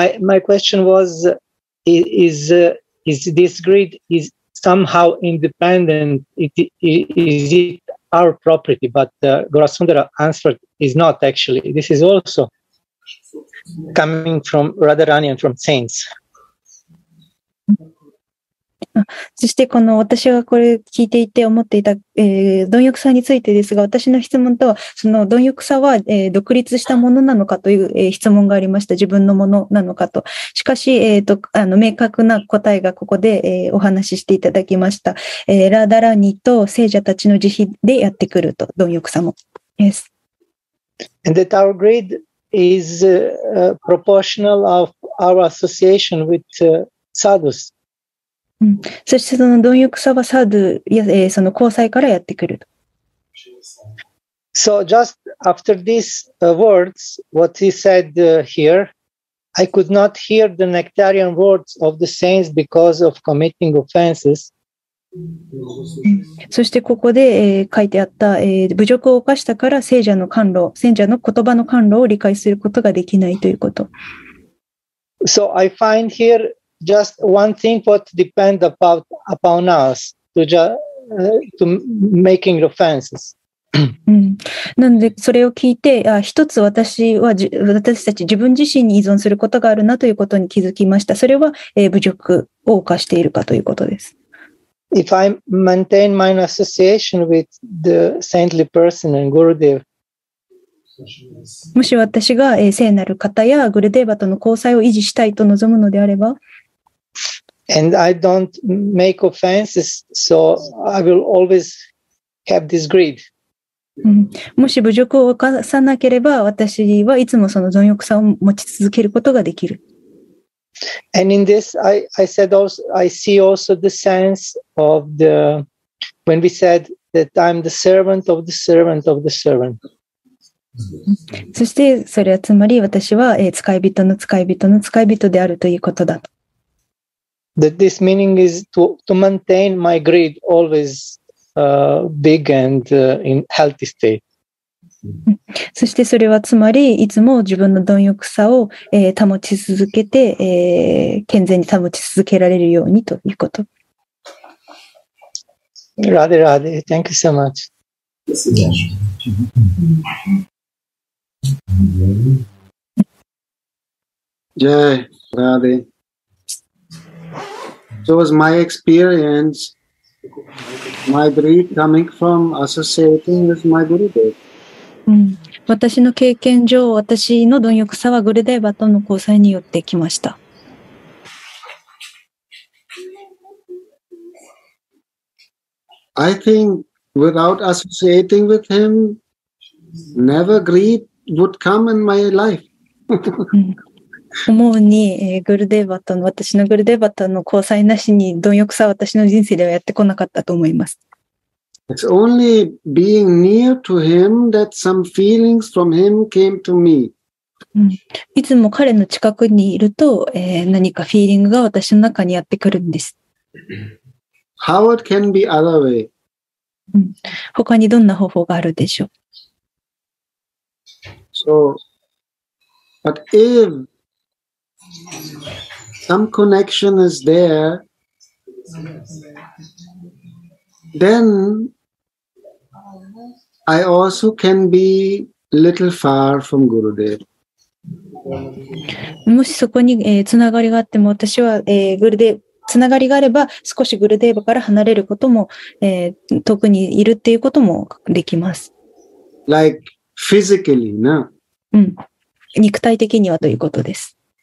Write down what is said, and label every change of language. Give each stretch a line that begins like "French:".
English: My question was,Is this greed is somehow independent? Is it our property? But Gaurasundara answered is not actually. This is also coming from Radharani and from saints.
Japanese: そしてこの私がこれ聞いていて思っていた、貪欲さについてですが、私の質問とはその貪欲さは、独立したものなのかという、質問がありました。自分のものなのかと。しかし、明確な答えがここで、お話ししていただきました。ラダラニと聖者たちの慈悲でやってくると。貪欲さも、
English: yes. And that our greed is proportional of our association with sadhus.
Japanese: そしてその貪欲さはサードや、その交際からやってくる。
English: So just after these words, what he said here, I could not hear the nectarian words of the saints because of committing offenses.
Japanese: そしてここで、書いてあった、侮辱を犯したから聖者の甘露、聖者の言葉の甘露を理解することができないということ。
English: So I find here. Just one thing what depend upon us to making offenses.
Japanese: なのでそれを聞いて、一つ私たち自分自身に依存することがあるなということに気づきました。それは、侮辱を犯しているかということです。
English: If I maintain my association with the saintly person and Gurudev,
Japanese: もし私が、聖なる方やグルデーバとの交際を維持したいと望むのであれば、
English: And I don't make offenses, so I will always have this greed.
Japanese: もし侮辱を犯さなければ、私はいつもその貪欲さを持ち続けることができる。
English: And in this, I said also, I see also the sense of the, when we said that I'm the servant of the servant of the servant.
Japanese: そしてそれはつまり私は使い人の使い人の使い人であるということだと。
English: That this meaning is to maintain my greed always big and in healthy state.
Japanese: そしてそれはつまりいつも自分の貪欲さを、保ち続けて、健全に保ち続けられるようにということ。
English: Radhe, Radhe, thank you so much. Jai, Radhe. So was my experience, my greed coming from associating with my Gurudev.
Japanese: 私の経験上、私の貪欲さはグルデーバとの交際によってきました。
English: I think without associating with him, never greed would come in my life.
Japanese: 思うに、グルデーバとの私のグルデーバとの交際なしに貪欲さは私の人生ではやってこなかったと思います。
English: It's only being near to him that some feelings from him came to me.
Japanese: いつも彼の近くにいると、何かフィーリングが私の中にやってくるんです。
English: How it can be other way?
Japanese: うん、他にどんな方法があるでしょう。
English: So, but if some connection is there, then I also can be a little far from Gurudev.
Japanese: もしそこに、つながりがあっても私は、グルデつながりがあれば少しグルデーバから離れることも、遠くにいるっていうこともできます。
English: Like physically, な。うん。
Japanese: 肉体的にはということです。